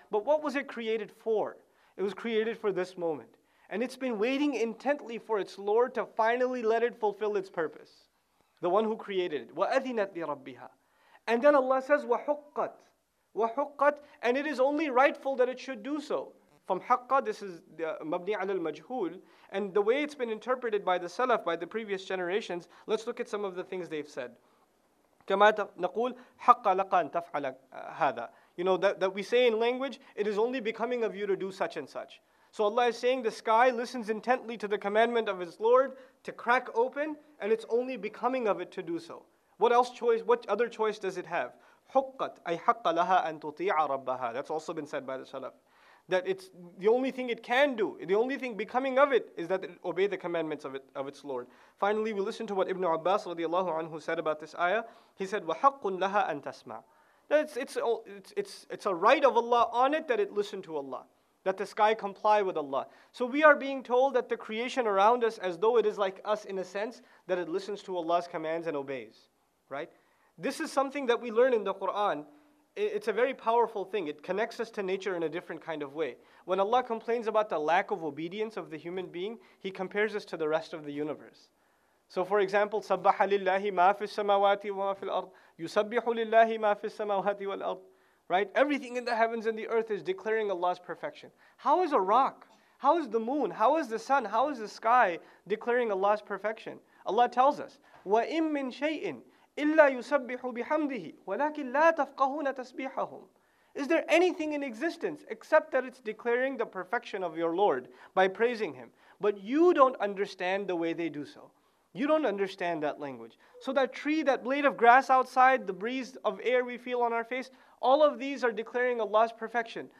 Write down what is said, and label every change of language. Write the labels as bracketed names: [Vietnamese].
[English] But what was it created for? It was created for this moment. And it's been waiting intently for its Lord to finally let it fulfill its purpose. The one who created it. [Arabic] وَأَذِنَتْ لِرَبِّهَا. [English] And then Allah says, وَحُقَّتْ. [Arabic] وَحُقَّتْ. [English] And it is only rightful that it should do so. [Arabic] From حَقَّ, [English] this is [Arabic] مَبْنِي عَلَى الْمَجْهُولِ. [English] And the way it's been interpreted by the Salaf, by the previous generations, let's look at some of the things they've said. [Arabic] كَمَا نَقُولْ حَقَّ لَقَ أَن تَفْعَلَ هَذَا. [English] You know, that we say in language, it is only becoming of you to do such and such. So Allah is saying the sky listens intently to the commandment of its Lord to crack open, and it's only becoming of it to do so. What other choice does it have? [Arabic] حُقَّتْ أَيْ حَقَّ لَهَا أَن تُطِيعَ رَبَّهَا. [English] That's also been said by the Salaf. That it's the only thing it can do, the only thing becoming of it, is that it obey the commandments of its Lord. Finally, we listen to what Ibn Abbas radiallahu anhu said about this ayah. He said, [Arabic] وَحَقٌ لَهَا أَن تَسْمَعَ. [English] It's a right of Allah on it that it listen to Allah, that the sky comply with Allah. So we are being told that the creation around us, as though it is like us in a sense, that it listens to Allah's commands and obeys, right? This is something that we learn in the Quran. It's a very powerful thing. It connects us to nature in a different kind of way. When Allah complains about the lack of obedience of the human being, He compares us to the rest of the universe. So for example, [Arabic] سَبَّحَ لِلَّهِ مَا فِي السَّمَاوَاتِ وَمَا فِي الْأَرْضِ يُسَبِّحُ لِلَّهِ مَا فِي السَّمَاوَاتِ وَالْأَرْضِ. [English] Right? Everything in the heavens and the earth is declaring Allah's perfection. How is a rock? How is the moon? How is the sun? How is the sky declaring Allah's perfection? Allah tells us, [Arabic] وَإِمْ مِنْ شَيْءٍ إِلَّا يُسَبِّحُ بِحَمْدِهِ وَلَكِنْ لَا تَفْقَهُونَ تَسْبِيحَهُمْ. [English] Is there anything in existence except that it's declaring the perfection of your Lord by praising Him? But you don't understand the way they do so. You don't understand that language. So that tree, that blade of grass outside, the breeze of air we feel on our face, all of these are declaring Allah's perfection.